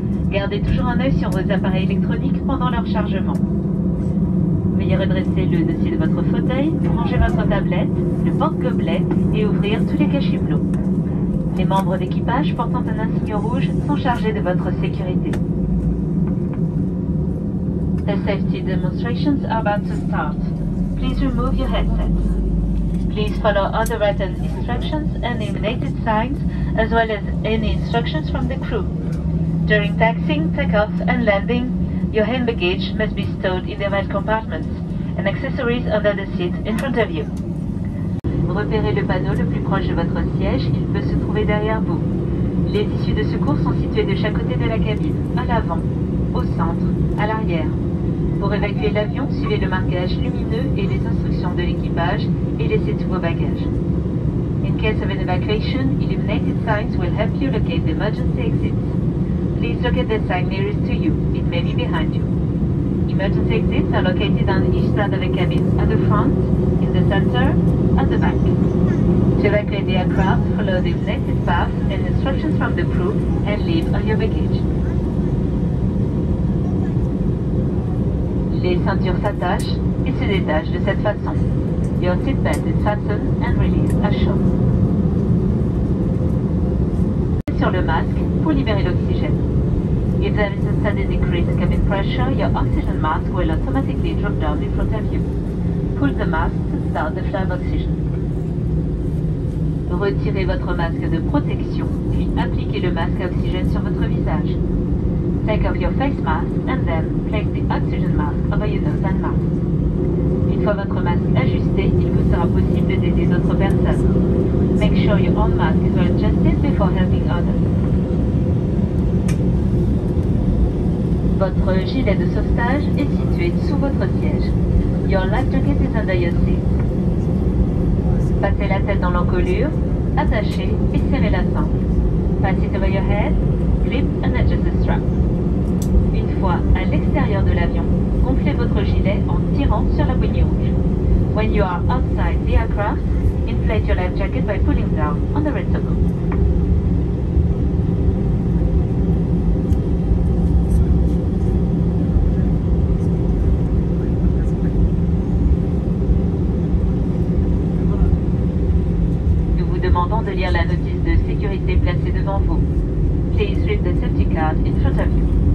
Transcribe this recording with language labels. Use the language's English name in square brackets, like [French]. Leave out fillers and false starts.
[French] Gardez toujours un œil sur vos appareils électroniques pendant leur chargement. Veuillez redresser le dossier de votre fauteuil, ranger votre tablette, le porte-gobelet et ouvrir tous les cachets-blots. Les membres d'équipage portant un insigne rouge sont chargés de votre sécurité. [English] The safety demonstrations are about to start. Please remove your headsets. Please follow other written instructions and illuminated signs, as well as any instructions from the crew. During taxiing, takeoff, and landing, your hand baggage must be stowed in the overhead compartments and accessories under the seat in front of you. [French] Repérez le panneau le plus proche de votre siège, il peut se trouver derrière vous. Les issues de secours sont situées de chaque côté de la cabine, à l'avant, au centre, à l'arrière. Pour évacuer l'avion, suivez le marquage lumineux et les instructions de l'équipage et laissez tous vos bagages. [English] In case of an evacuation, illuminated signs will help you locate the emergency exits. Please look at the sign nearest to you, it may be behind you. Emergency exits are located on each side of the cabin, at the front, in the center, at the back. To evacuate the aircraft, follow the illuminated path and instructions from the crew and leave all your baggage. [French] Les ceintures s'attachent et se détachent de cette façon. [English] Your seatbelt is fastened and released as shown. [French] Appuyez sur le masque pour libérer l'oxygène. [English] If there is a sudden decrease in cabin pressure, your oxygen mask will automatically drop down in front of you. Pull the mask to start the flow of oxygen. [French] Retirez votre masque de protection, puis appliquez le masque à oxygène sur votre visage. [English] Take off your face mask and then place the oxygen mask over your nose and mouth. [French] Une fois votre masque ajusté, il vous sera possible d'aider d'autres personnes. [English] Make sure your own mask is well adjusted before helping others. [French] Votre gilet de sauvetage est situé sous votre siège. [English] Your life jacket is under your seat. [French] Passez la tête dans l'encolure, attachez et serrez la sangle. [English] Pass it over your head, grip and adjust the strap. [French] Une fois à l'extérieur de l'avion, gonflez votre gilet en tirant sur la bougie rouge. [English] When you are outside the aircraft, inflate your life jacket by pulling down on the red circle. [French] Nous vous demandons de lire la notice de sécurité placée devant vous. [English] Please read the safety card in front of you.